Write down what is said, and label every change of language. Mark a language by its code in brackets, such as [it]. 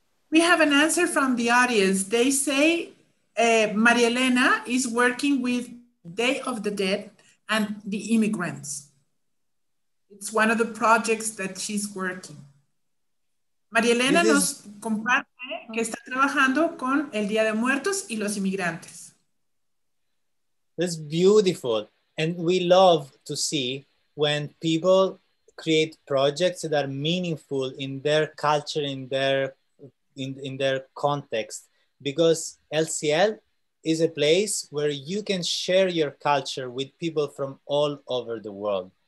[en] We have an answer from the audience. They say Maria Elena is working with Day of the Dead and the immigrants. It's one of the projects that she's working. [es] Maria Elena nos comparte que está trabajando con el Día de Muertos y los inmigrantes. [en] It's beautiful, and we love to see when people create projects that are meaningful in their culture, in their context, because LCL is a place where you can share your culture with people from all over the world.